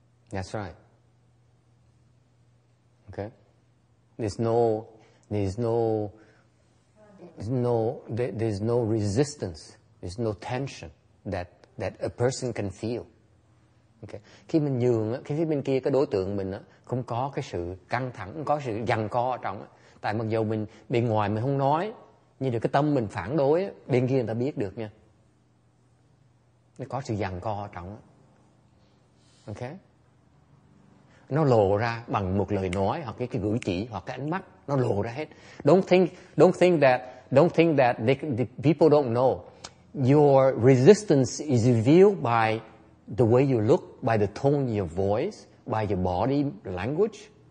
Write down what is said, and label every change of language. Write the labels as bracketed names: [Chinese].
[English] That's right. Okay. There's no resistance. There's no tension that a person can feel. Okay. [Vietnamese] Khi mình nhường á, khi phía bên kia cái đối tượng mình á không có cái sự căng thẳng, không có sự giằng co ở trong á. Tại mặc dù mình bên ngoài mình không nói, nhưng được cái tâm mình phản đối á, bên kia người ta biết được nha. Nó có sự giằng co ở trong á. Okay. Nó lộ ra bằng một lời nói hoặc cái cử chỉ hoặc cái ánh mắt, nó lộ ra hết. [English] Don't think that the people don't know. Your resistance is revealed by the way you look, by the tone of your voice, by your body language.